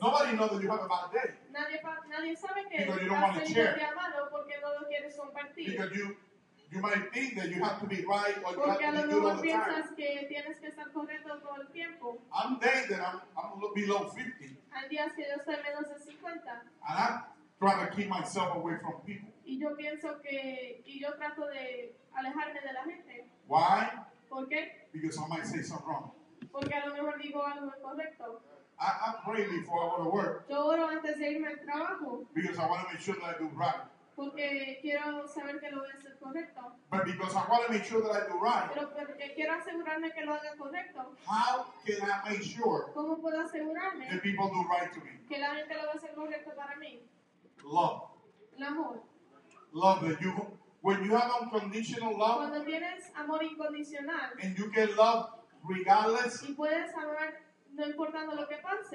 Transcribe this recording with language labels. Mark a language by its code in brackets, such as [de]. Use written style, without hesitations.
[en] Nobody knows that you have a bad day. [es] Nadie sabe que. [en] Because you don't want to share. [es] Un día malo porque no lo quieres compartir. [en] Because you might think that you have to be right or [es] porque [en] you have to be good all the time. [es] Que tienes que estar correcto todo el tiempo. [en] I'm days that I'm below 50. [es] Hay días que yo estoy menos de 50. [en] And I'm trying to keep myself away from people. [es] Y yo pienso que, y yo trato de alejarme de la gente. [en] Why? [es] ¿Por qué? [en] Because I might say something wrong. [es] Porque a lo mejor digo algo incorrecto. [en] I'm praying before I go to work. [es] Yo oro antes de irme al trabajo. [en] Because I want to make sure that I do right. [es] Porque quiero saber que lo voy a hacer correcto. [en] But because I want to make sure that I do right. [es] Pero porque quiero asegurarme que lo haga correcto. [en] How can I make sure? [es] ¿Cómo puedo asegurarme? [en] That people do right to me. [es] Que la gente lo va a hacer correcto para mí. [en] Love. [es] El amor. [en] Love that you when you have unconditional love. [es] Cuando tienes amor incondicional. [en] And you can love regardless. [es] Y puedes amar no importando lo que pase.